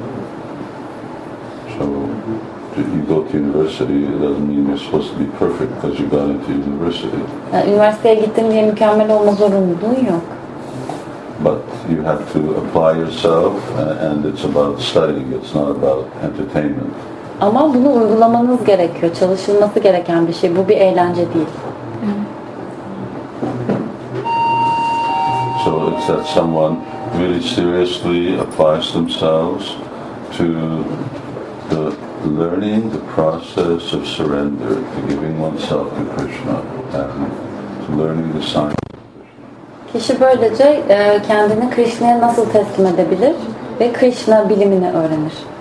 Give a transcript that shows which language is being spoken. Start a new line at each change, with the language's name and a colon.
English: So you go to university, it doesn't mean you're supposed to be perfect because you got into university.
Turkish: Üniversiteye gittim diye mükemmel olma zorunluluğun yok.
English: But you have to apply yourself, and it's about studying. It's not about entertainment.
Turkish: Ama bunu uygulamanız gerekiyor. Çalışılması gereken bir şey. Bu bir eğlence değil.
English: So it's that someone really seriously applies themselves to the learning, the process of surrender, to giving oneself to Krishna, and to learning the science.
Turkish: Kişi böylece kendini Krishna'ya nasıl teslim edebilir ve Krishna bilimini öğrenir.